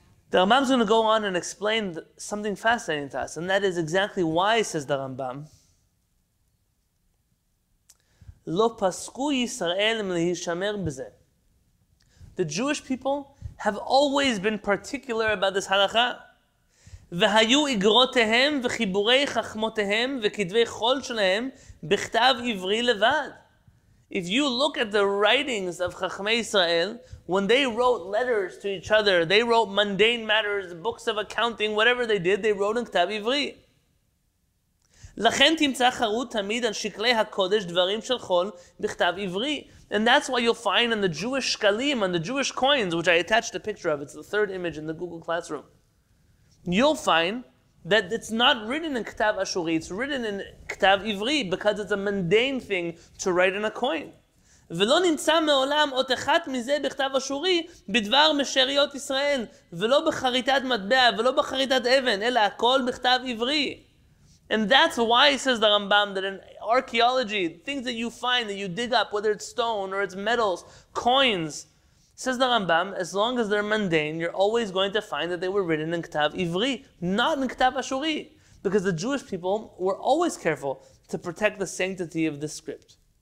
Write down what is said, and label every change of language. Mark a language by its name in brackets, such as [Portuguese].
[English] The Rambam's going to go on and explain something fascinating to us, and that is exactly why, says the Rambam, [Hebrew] lo pasku Yisrael mlehishamer b'ze. [English] The Jewish people have always been particular about this halakha. [Hebrew] והיו אגרותיהם וחיבורי חכמותיהם וכתבי חול שלהם בכתב עברי לבד. [English] If you look at the writings of Chachmei Israel, when they wrote letters to each other, they wrote mundane matters, books of accounting, whatever they did, they wrote in כתב עברי. [Hebrew] לכן תמצא חרות תמיד על שקלי הקודש דברים של חול בכתב עברי. [English] And that's why you'll find in the Jewish shkalim, on the Jewish coins, which I attached a picture of, it's the third image in the Google Classroom, you'll find that it's not written in Ketav Ashuri, it's written in Ketav Ivri, because it's a mundane thing to write in a coin. [Hebrew] ולא נמצא מעולם עוד אחת מזה בכתב אשורי בדבר משריות ישראל, ולא בחריטת מטבע, ולא בחריטת אבן, אלא הכל בכתב עברי. [English] And that's why, says the Rambam, that in archaeology, things that you find, that you dig up, whether it's stone or it's metals, coins, says the Rambam, as long as they're mundane, you're always going to find that they were written in Ketav Ivri, not in Ketav Ashuri, because the Jewish people were always careful to protect the sanctity of the script.